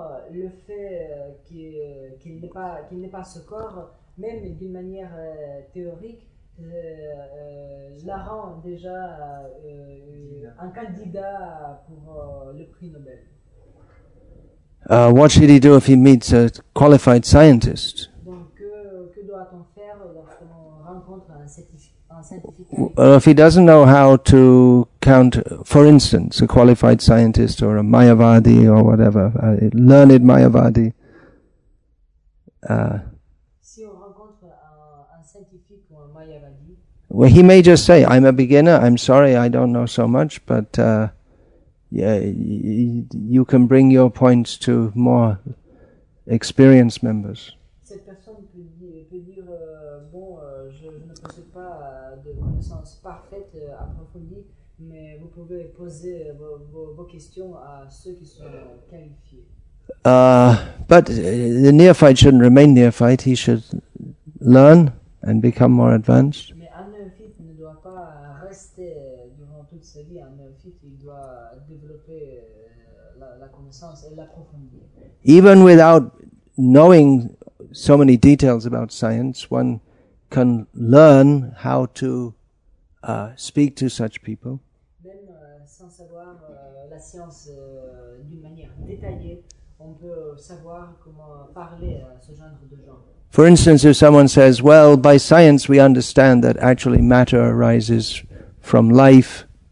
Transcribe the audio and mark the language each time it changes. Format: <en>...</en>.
<fr>Le fait qu'il n'est pas ce corps, même d'une manière théorique, la rend déjà un candidat pour le prix Nobel.</fr> <en>What should he do if he meets a qualified scientist?</en> <fr>Donc, que doit-on faire lorsqu'on rencontre un scientifique?</fr> <en>Well, if he doesn't know how to count, for instance, a qualified scientist or a Mayavadi or whatever, a learned Mayavadi.</en> <fr>Si on rencontre un scientifique ou un Mayavadi,</fr> <en>well, he may just say, I'm a beginner, I'm sorry, I don't know so much, but you can bring your points to more experienced members.</en> <fr>Cette personne peut dire, je ne possède pas de connaissance parfaite approfondie, mais vous pouvez poser vos questions à ceux qui sont qualifiés.</fr> <en>But the neophyte shouldn't remain neophyte. He should learn and become more advanced.</en> <fr>Mais un neophyte ne doit pas rester durant toute sa vie. Un neophyte, il doit développer la connaissance et l'approfondir.</fr> <en>Even without knowing so many details about science, one can learn how to speak to such people.</en> <fr>Même sans savoir la science d'une manière détaillée, on peut savoir comment parler à ce genre de gens.</fr> <en>For instance, if someone says, well, by science we understand that actually matter arises from life.</en>